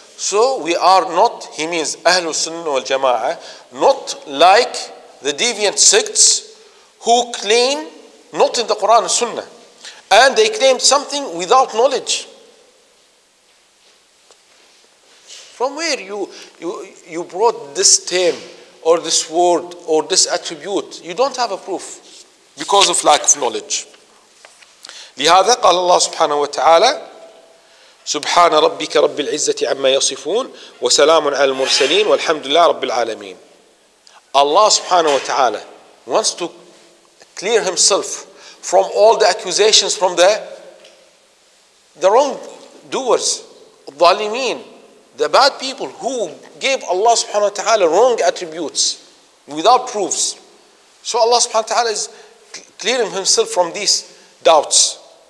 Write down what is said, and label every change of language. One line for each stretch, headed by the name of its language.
English: So we are not, he means Ahlul Sunnah wal Jama'ah, not like the deviant sects who claim not in the Quran and Sunnah, and they claim something without knowledge. From where you brought this term or this word or this attribute? You don't have a proof because of lack of knowledge.
Arabic: لهذا قال الله سبحانه وتعالى سبحان ربك رب العزة عما يصفون وسلام على المرسلين والحمد لله رب العالمين.
English: Allah subhanahu wa ta'ala wants to clear himself from all the accusations from the wrongdoers, الظالمين, the bad people who gave Allah subhanahu wa ta'ala wrong attributes without proofs. So Allah subhanahu wa ta'ala is clearing himself from these doubts.